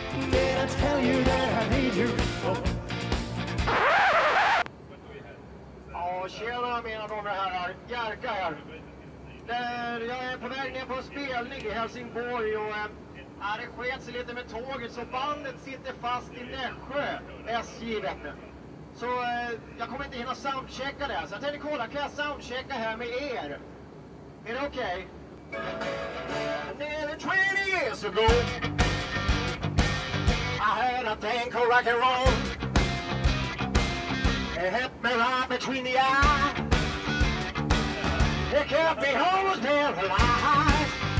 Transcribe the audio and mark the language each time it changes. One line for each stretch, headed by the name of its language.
English: Did I tell you that I need you? Oh.
Swedish: Tjena mina damer och herrar, Jerka här. Där jag är på väg ner på en spelning i Helsingborg och det sket sig lite med tåget, så bandet sitter fast i Nässjö, SJ vet ni. Så jag kommer inte hinna soundchecka det, så jag tänkte kolla, kan jag soundchecka här med er? Är det okej?
English: Nearly 20 years ago I heard a thing called rock and roll. It hit me right between the eyes. It kept me homeless, dead alive.